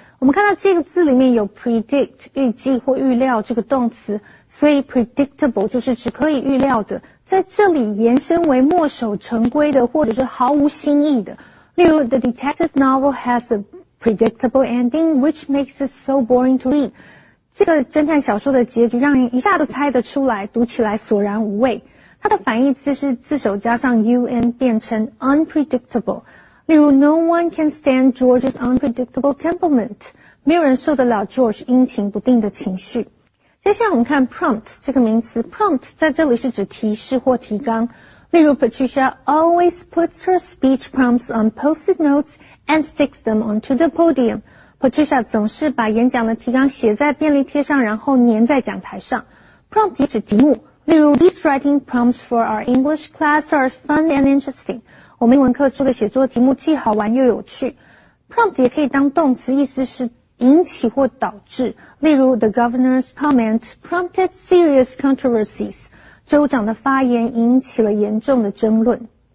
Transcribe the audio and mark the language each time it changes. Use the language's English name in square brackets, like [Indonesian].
[Chinese] 我们看到这个字里面有 predict 预计或预料这个动词，所以 predictable 就是只可以预料的，在这里延伸为墨守成规的或者是毫无新意的。 [English] 例如 ,the detective novel has a predictable ending which makes it so boring to read. [Chinese] 这个侦探小说的结局让人一下都猜得出来，读起来索然无味。它的反义词是自首加上 un 变成 unpredictable。 [English] 例如 ,no one can stand George's unpredictable temperament. [Chinese] 没有人受得了 George 阴晴不定的情绪。接下来我们看 prompt 这个名词。 prompt 在这里是指提示或提纲。 [English] 例如 Patricia always puts her speech prompts on post-it notes and sticks them onto the podium. [Chinese] Patricia 总是把演讲的提纲写在便利贴上然后粘在讲台上。prompt 也指题目。 [English] 例如 ,these writing prompts for our English class are fun and interesting. [Chinese] 我们英文课出的写作题目既好玩又有趣。 prompt 也可以当动词，意思是引起或导致。 [English] 例如 ,the governor's comment prompted serious controversies. [Chinese] 州长的发言引起了严重的争论。